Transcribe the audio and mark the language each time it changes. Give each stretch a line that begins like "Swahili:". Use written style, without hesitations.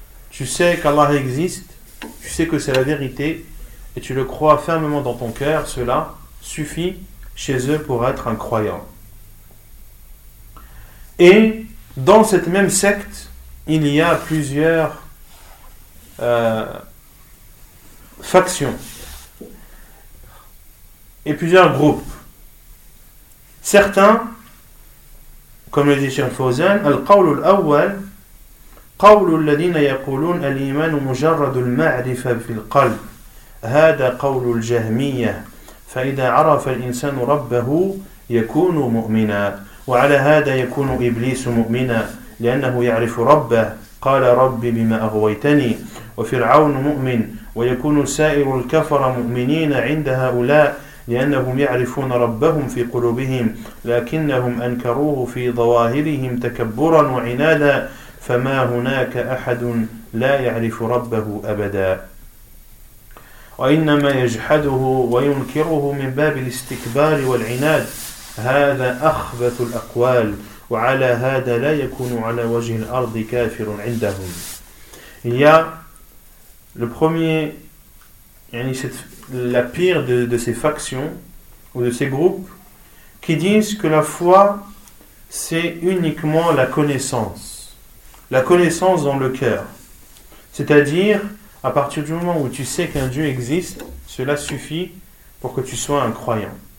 French: Tu sais qu'Allah existe, tu sais que c'est la vérité, et tu le crois fermement dans ton cœur, cela suffit chez eux pour être un croyant. Et dans cette même secte, il y a plusieurs factions et plusieurs groupes. Certains, comme le dit Cheikh Fawzan,
Arabic: القول الأول قول الذين يقولون الإيمان مجرد المعرفة في القلب هذا قول الجهمية فإذا عرف الإنسان ربه يكون مؤمنا وعلى هذا يكون إبليس مؤمنا لأنه يعرف ربه قال ربي بما أغويتني وفرعون مؤمن ويكون سائر الكفر مؤمنين عند هؤلاء لأنهم يعرفون ربهم في قلوبهم لكنهم أنكروه في ظواهرهم تكبرا وعنادا فما هناك أحد لا يعرف ربه أبدا وإنما يجحده وينكره من باب الاستكبار والعناد هذا أخبث الأقوال وعلى هذا لا يكون على وجه الأرض كافر عندهم.
French: Il y a le premier, يعني la pire de ces factions ou de ces groupes qui disent que la foi c'est uniquement la connaissance. La connaissance dans le cœur. C'est-à-dire, à partir du moment où tu sais qu'un Dieu existe, cela suffit pour que tu sois un croyant.